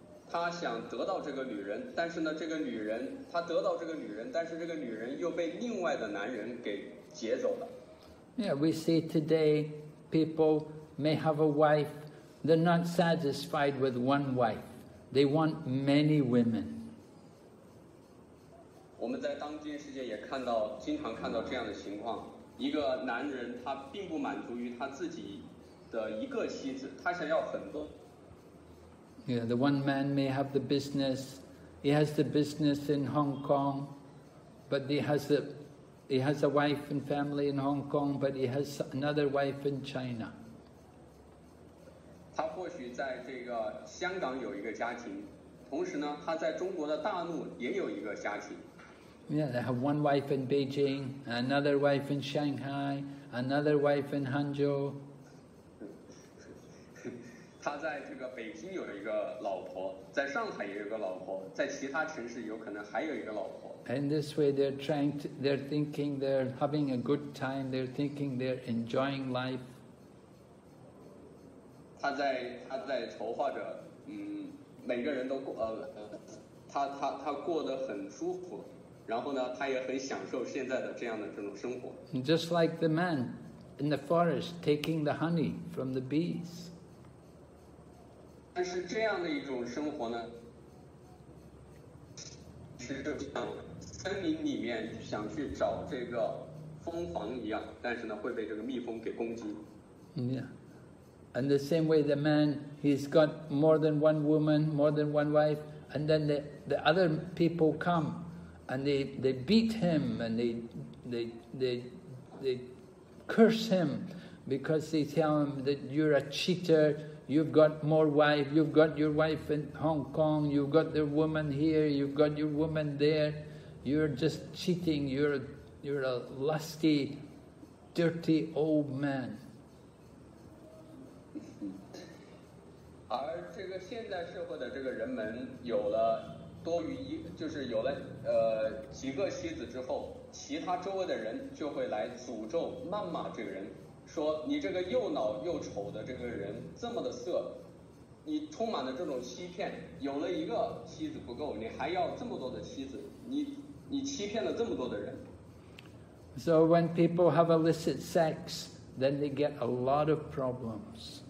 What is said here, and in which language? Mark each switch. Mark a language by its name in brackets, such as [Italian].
[Chinese] 他想得到这个女人，但是呢，这个女人，他得到这个女人，但是这个女人又被另外的男人给劫走了。 [English] Yeah, we see today, people may have a wife, they're not satisfied with one wife, they want many women. [Chinese] 我们在当今世界也看到，经常看到这样的情况：一个男人他并不满足于他自己的一个妻子，他想要很多。 [English] Yeah, the one man may have the business. He has the business in Hong Kong, but he has a wife and family in Hong Kong, but he has another wife in China. [Chinese] 他或许在这个香港有一个家庭，同时呢，他在中国的大陆也有一个家庭。 [English] Yeah, they have one wife in Beijing, another wife in Shanghai, another wife in Hangzhou. [Chinese] 他在这个北京有一个老婆，在上海也有个老婆，在其他城市有可能还有一个老婆。 [English] And this way, they're trying to, they're thinking they're having a good time. They're thinking they're enjoying life. [Chinese] 他在筹划着，每个人都过他过得很舒服，然后呢，他也很享受现在的这样的这种生活。 [English] Just like the man in the forest taking the honey from the bees. [Chinese] 但是这样的一种生活呢，是就像森林里面想去找这个蜂房一样，但是呢会被这个蜜蜂给攻击。 [English] Yeah. And the same way the man, he's got more than one woman, more than one wife, and then the other people come, and they beat him, and they curse him, because they tell him that you're a cheater,You've got more wife, you've got your wife in Hong Kong, you've got the woman here, you've got your woman there, you're just cheating, you're a lusty dirty old man. [Chinese] 而这个现代社会的这个人们有了多余一，就是有了几个妻子之后，其他周围的人就会来诅咒谩骂这个人，说你这个又老又丑的这个人这么的色，你充满了这种欺骗，有了一个妻子不够，你还要这么多的妻子，你欺骗了这么多的人。 [English] So when people have illicit sex, then they get a lot of problems.